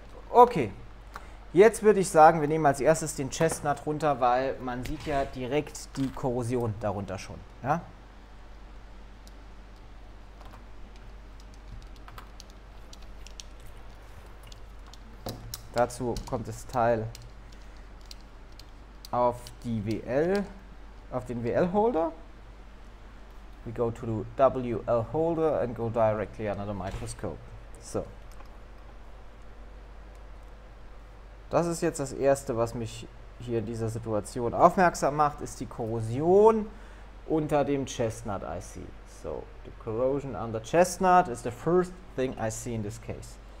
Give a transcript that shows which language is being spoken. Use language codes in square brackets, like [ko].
[de] Okay, jetzt würde ich sagen, wir nehmen als erstes den Chestnut runter, weil man sieht ja direkt die Korrosion darunter schon. Ja? Dazu kommt das Teil auf die WL, auf den WL-Holder. [en] We go to the WL-Holder and go directly under the microscope. So. [de] Das ist jetzt das Erste, was mich hier in dieser Situation aufmerksam macht, ist die Korrosion unter dem Chestnut I see. [en] So, the corrosion under Chestnut is the first thing I see in this case.